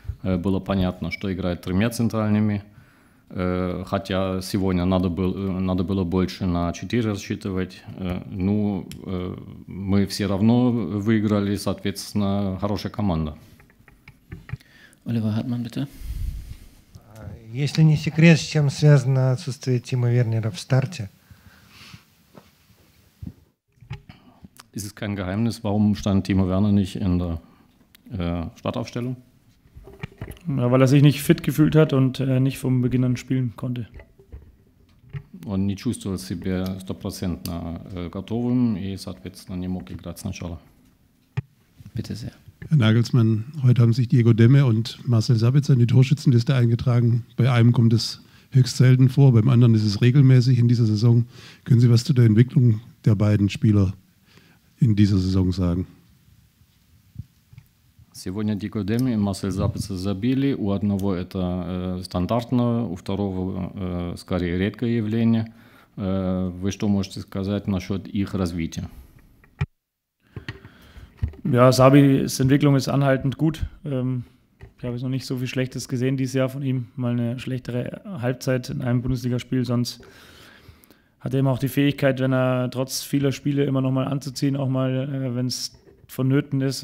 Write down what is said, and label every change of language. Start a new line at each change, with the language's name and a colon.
Russian: было понятно, что играет тремя центральными. Хотя сегодня надо было больше на 4 рассчитывать. Ну, мы все равно выиграли, соответственно, хорошая команда.
German: Оливер Хартман, bitte.
Russian: Если не секрет, с чем связано отсутствие Тима Вернера в старте?
German: Ist es kein Geheimnis, warum stand Timo Werner nicht in der Startaufstellung? Ja, weil er sich nicht fit gefühlt hat und nicht vom Beginn an spielen konnte.
Russian: Он не чувствовал себя стопроцентно готовым и, соответственно, не мог играть сначала.
German: Bitte sehr. Herr Nagelsmann, heute haben sich Diego Demme und Marcel Sabitzer in die Torschützenliste eingetragen. Bei einem kommt es höchst selten vor, beim anderen ist es regelmäßig in dieser Saison. Können Sie was zu der Entwicklung der beiden Spieler in dieser Saison sagen?
Russian: Сегодня Диего Демме и Марсель Сабитцер забили. У одного это стандартно, у второго скорее редкое явление. Вы что можете сказать насчет их развития?
German: Ja, Sabis Entwicklung ist anhaltend gut. Ich habe jetzt noch nicht so viel Schlechtes gesehen dieses Jahr von ihm. Mal eine schlechtere Halbzeit in einem Bundesligaspiel. Sonst hat er immer auch die Fähigkeit, wenn er trotz vieler Spiele immer noch mal anzuziehen, auch mal, wenn es vonnöten ist.